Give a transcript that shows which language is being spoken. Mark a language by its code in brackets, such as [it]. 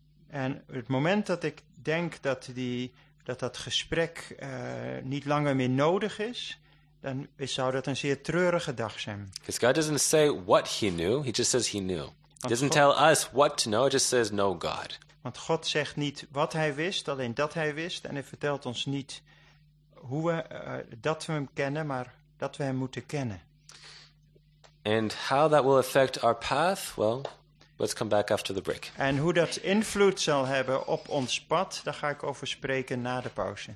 [nl] En het moment dat ik denk dat dat gesprek niet langer meer nodig is, dan zou dat een zeer treurige dag zijn. [en] Because God doesn't say what he knew, he just says he knew. He doesn't tell us what to know, he just says know God. [nl] Want God zegt niet wat hij wist, alleen dat hij wist, en hij vertelt ons niet hoe we dat we hem kennen, maar dat we hem moeten kennen. [en] And how that will affect our path? Well, let's come back after the break. [nl] En hoe dat invloed zal hebben op ons pad, daar ga ik over spreken na de pauze.